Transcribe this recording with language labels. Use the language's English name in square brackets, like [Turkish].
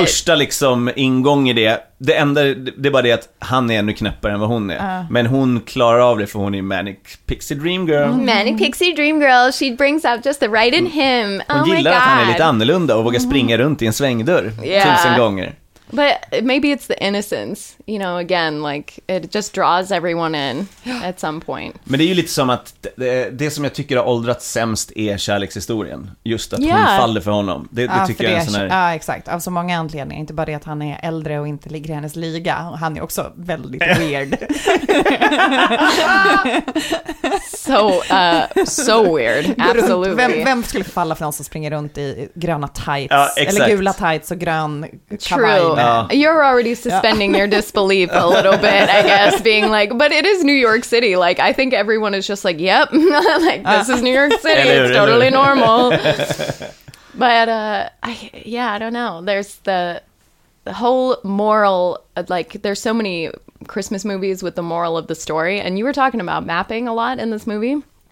[Swedish] Första liksom ingång i det. Det enda, det är bara det att han är ännu knäppare än vad hon är. Men hon klarar av det för hon är manic pixie dream girl. [English] Manic pixie dream girl, she brings out just the right in him. [Swedish] Hon gillar [English] my god. [Swedish] Att han är lite annorlunda och vågar springa runt i en svängdörr tusen gånger. [English] But maybe it's the innocence, you know, again, like, it just draws everyone in at some point. [Swedish] Men det är ju lite som att det som jag tycker har åldrats sämst är kärlekshistorien. Just att hon faller för honom. Det tycker jag är en sån här... Ja, exakt. Av så många anledningar. Inte bara det att han är äldre och inte ligger i hennes liga. Han är också väldigt weird. [English] So weird. Absolutely. [Swedish] Vem skulle falla för någon som springer runt i gröna tights? Ja, eller gula tights och grön kavaj? [English] You're already suspending your disbelief a little bit, I guess, being like, but it is New York City. Like, I think everyone is just like, yep, like, this is New York City. It's totally normal. But, I don't know. There's the whole moral, like, there's so many Christmas movies with the moral of the story. And you were talking about mapping a lot in this movie.